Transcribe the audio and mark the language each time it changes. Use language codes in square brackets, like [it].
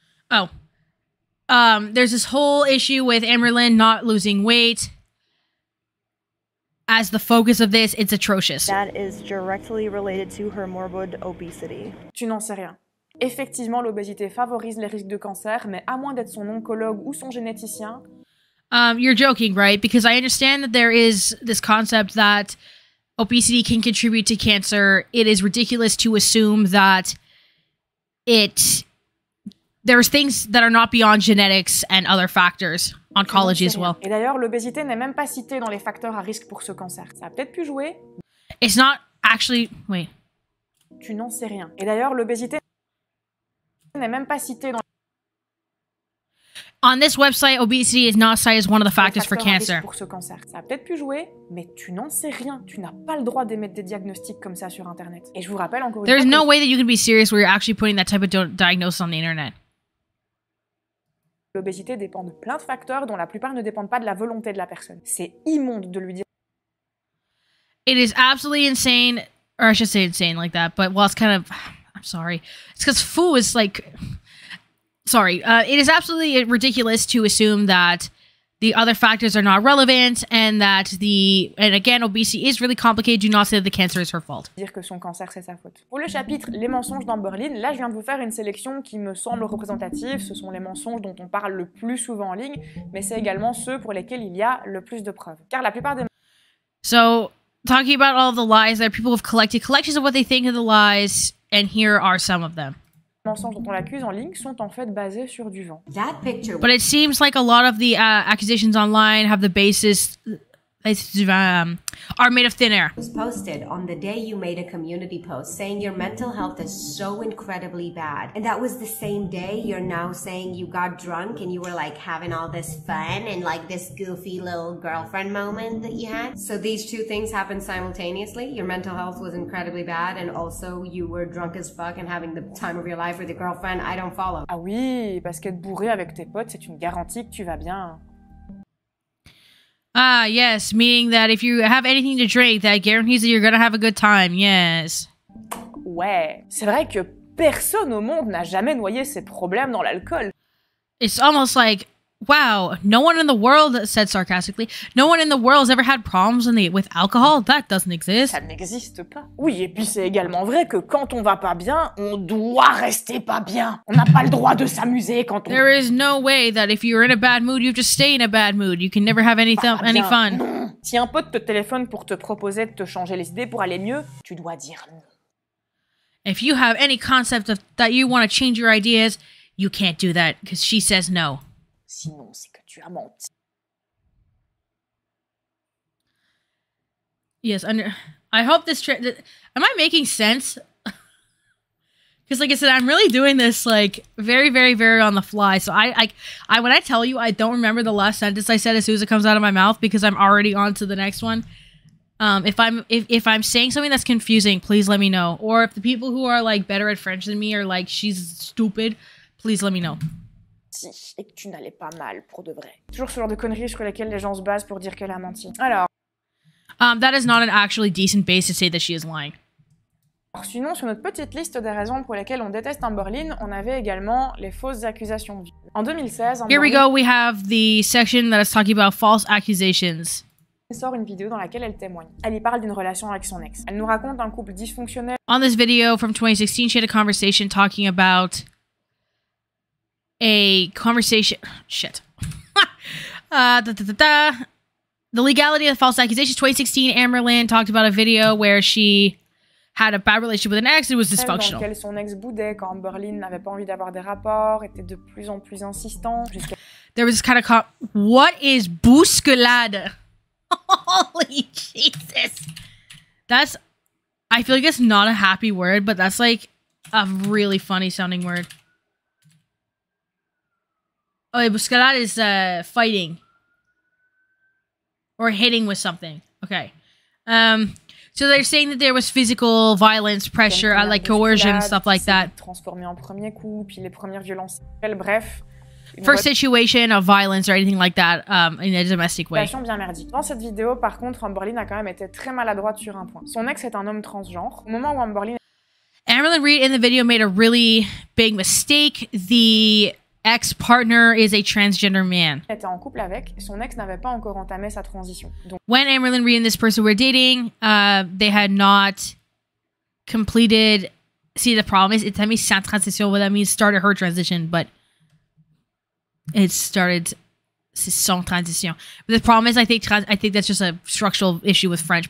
[en] Oh, there's this whole issue with Amberlynn not losing weight. As the focus of this, it's atrocious. That is directly related to her morbid obesity. [fr] Tu n'en sais rien. Effectivement, l'obésité favorise les risques de cancer, mais à moins d'être son oncologue ou son généticien... [en] You're joking, right? Because I understand that there is this concept that obesity can contribute to cancer. It is ridiculous to assume that it... There's things that are not beyond genetics and other factors, oncology as well. [fr] Et d'ailleurs, l'obésité n'est même pas citée dans les facteurs à risque pour ce cancer. Ça a peut-être pu jouer. [en] It's not actually... Wait. [fr] Tu n'en sais rien. Et d'ailleurs, l'obésité n'est même pas citée dans... [en] On this website, obesity is not cited as one of the factors for cancer. [fr] Pour ce cancer. Ça a peut-être pu jouer, mais tu n'en sais rien. Tu n'as pas le droit d'émettre des diagnostics comme ça sur Internet. Et je vous rappelle encore... [en] There's no way that you can be serious where you're actually putting that type of diagnosis on the Internet. [fr] L'obésité dépend de plein de facteurs dont la plupart ne dépendent pas de la volonté de la personne. C'est immonde de lui dire... [en] It is absolutely insane, or I should say insane like that, but well, it's kind of... I'm sorry. It's because foo is like... Sorry. It is absolutely ridiculous to assume that the other factors are not relevant and that the, and again, obesity is really complicated. Do not say that the cancer is her fault. [fr] Dire que son cancer, c'est sa faute. Pour le chapitre Les mensonges d'Amberlynn, là, je viens de vous faire une sélection qui me semble représentative. Ce sont les mensonges dont on parle le plus souvent en ligne, mais c'est également ceux pour lesquels il y a le plus de preuves. Car la plupart des... [en] So, talking about all the lies that people have collected, collections of what they think of the lies, and here are some of them. [fr] Mensonges dont on l'accuse en ligne sont en fait basés sur du vent. [en] That picture. But it seems like a lot of the accusations online have the basis are made of thin air. It was posted on the day you made a community post saying your mental health is so incredibly bad. And that was the same day you're now saying you got drunk and you were like having all this fun and like this goofy little girlfriend moment that you had. So these two things happened simultaneously. Your mental health was incredibly bad and also you were drunk as fuck and having the time of your life with your girlfriend. I don't follow. [fr] Ah oui, parce qu'être bourré avec tes potes, c'est une garantie que tu vas bien. [en] Ah, yes, meaning that if you have anything to drink, that guarantees that you're gonna have a good time, yes. [fr] Ouais, c'est vrai que personne au monde n'a jamais noyé ses problèmes dans l'alcool. [en] It's almost like, wow, no one in the world, said sarcastically, no one in the world has ever had problems with alcohol, that doesn't exist. [fr] Ça n'existe pas. Oui, et puis c'est également vrai que quand on va pas bien, on doit rester pas bien. On n'a pas le droit de s'amuser quand on... [en] There is no way that if you're in a bad mood, you just stay in a bad mood. You can never have any fun. [fr] Non. Si un pote te téléphone pour te proposer de te changer les idées pour aller mieux, tu dois dire non. [en] If you have any concept of that you want to change your ideas, you can't do that, because she says no. [fr] Sinon, c'est que tu as menti. [en] Yes, I hope this... am I making sense? Because like I said, I'm really doing this like very, very, very on the fly. So I when I tell you, I don't remember the last sentence I said as soon as it comes out of my mouth because I'm already on to the next one. If I'm saying something that's confusing, please let me know. Or if the people who are like better at French than me are like, she's stupid, please let me know. [fr] Si, et que tu n'allais pas mal pour de vrai. Toujours ce genre de conneries sur lesquelles les gens se basent pour dire qu'elle a menti. Alors. [en] That is not an actually decent base to say that she is lying. [fr] Alors, sinon, sur notre petite liste des raisons pour lesquelles on déteste Amberlynn, on avait également les fausses accusations. En 2016, [en] Here we go, we have the section that is talking about false accusations. [fr] Elle sort une vidéo dans laquelle elle témoigne. Elle y parle d'une relation avec son ex. Elle nous raconte un couple dysfonctionnel. [en] On this video from 2016, she had a conversation talking about. A conversation. Shit. The legality of the false accusations. 2016, Amberlynn talked about a video where she had a bad relationship with an ex. It was dysfunctional. [fr] Dans lequel son ex boudait quand Amberlynn n'avait pas envie d'avoir des rapports, était de plus en plus insistant. [en] There was this kind of what is bousculade? Holy Jesus. That's, I feel like it's not a happy word, but that's like a really funny sounding word. Oh, bousculade is fighting or hitting with something. Okay. So they're saying that there was physical violence, pressure, like coercion, stuff like that. [fr] Transformé en premier coup, puis les premières violences. [en] Well, bref. First situation of violence or anything like that in a domestic way. [fr] Bien merdique. Dans cette vidéo, par contre, Amberlynn a quand même été très maladroite sur un point. Son ex est un homme transgenre. Au moment où Amberlynn... [en] Amberlynn Reid in the video made a really big mistake. The... ex-partner is a transgender man. [fr] Elle était en couple avec, son ex n'avait pas encore entamé sa transition. Donc, [en] when Amberlynn Reid and this person were dating, they had not completed... See, the problem is, it's [fr] sa transition, [en] what that means, started her transition, but it started [fr] son transition. [en] But the problem is, I think that's just a structural issue with French.